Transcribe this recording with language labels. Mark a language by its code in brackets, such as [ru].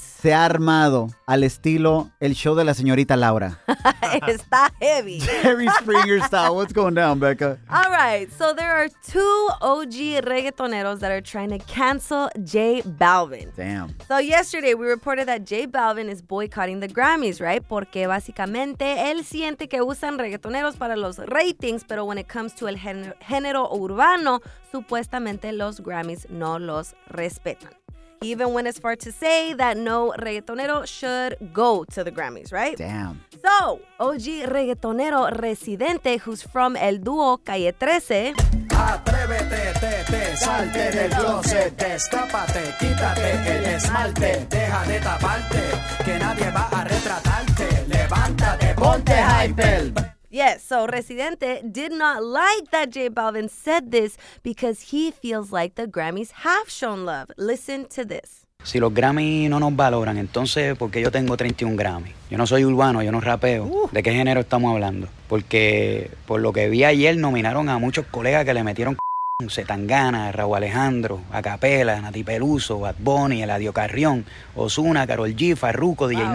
[es] Se ha armado al estilo el show de la señorita Laura. Está heavy. [en] Jerry Springer style. What's going down, Becca? All right. So there are two OG reggaetoneros that are trying to cancel J Balvin. Damn. So yesterday we reported that J Balvin is boycotting the Grammys, right? [es] Porque básicamente él siente que usan reggaetoneros para los ratings, pero [en] when it comes to [es] el género urbano, supuestamente los Grammys no los respetan. [en] He even went as far to say that no reggaetonero should go to the Grammys, right? Damn. So, OG reggaetonero Residente, who's from [es] el dúo [en] Calle 13. [es] Atrévete, te, salte del closet, destápate, quítate el esmalte, deja de taparte, que nadie va a retratarte, levántate, ponte hype. [en] Yes, so Residente did not like that J Balvin said this because he feels like the Grammys have shown love. Listen to this. [es] Si los Grammys no nos valoran, entonces, ¿por qué yo tengo 31 Grammys? Yo no soy urbano, yo no rapeo. ¿De qué género estamos hablando? Porque por lo que vi ayer, nominaron a muchos colegas que le metieron Zetangana, Raúl Alejandro, Acapela, Nati Peluso, Bad Bunny, Eladio Carrión, Ozuna, Karol G, Farruko, DJ wow.